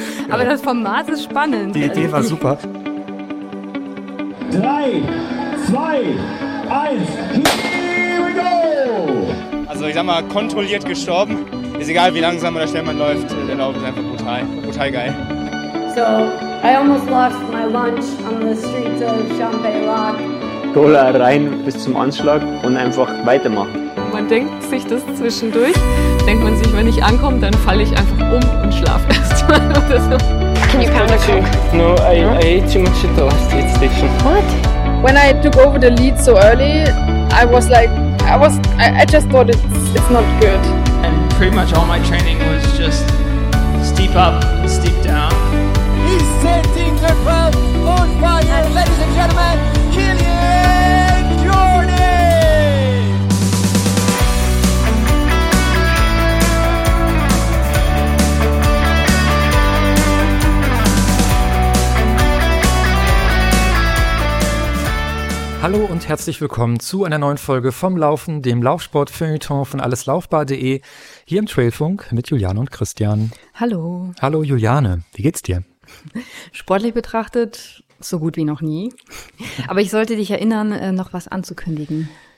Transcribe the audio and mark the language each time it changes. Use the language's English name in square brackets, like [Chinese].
[German] Aber ja, das Format ist spannend. Die Idee war super. [English] 3, 2, 1, here we go! [German] Also ich sag mal, kontrolliert gestorben. Ist egal, wie langsam oder schnell man läuft, der Lauf ist einfach brutal, brutal geil. [English] So, I almost lost my lunch on the streets of Champagne-Lac. [German] Cola rein bis zum Anschlag und einfach weitermachen. Man denkt sich das zwischendurch, denkt man sich, wenn ich ankomme, dann falle ich einfach um und schlafe erstmal oder so. [English] Can you pound a coke? No, I ate too much at the last aid station. What? When I took over the lead so early, I was like, I just thought it's not good. Pretty much all my training was just steep up, steep down. He's setting the crowd on fire, ladies and gentlemen, Kilian Jordan! [German] Hallo und herzlich willkommen zu einer neuen Folge vom Laufen, dem Laufsport-Feuilleton von alleslaufbar.de. Hier im Trailfunk mit Juliane und Christian. Hallo. Hallo Juliane, wie geht's dir? Sportlich betrachtet so gut wie noch nie. Aber ich sollte dich erinnern, noch was anzukündigen.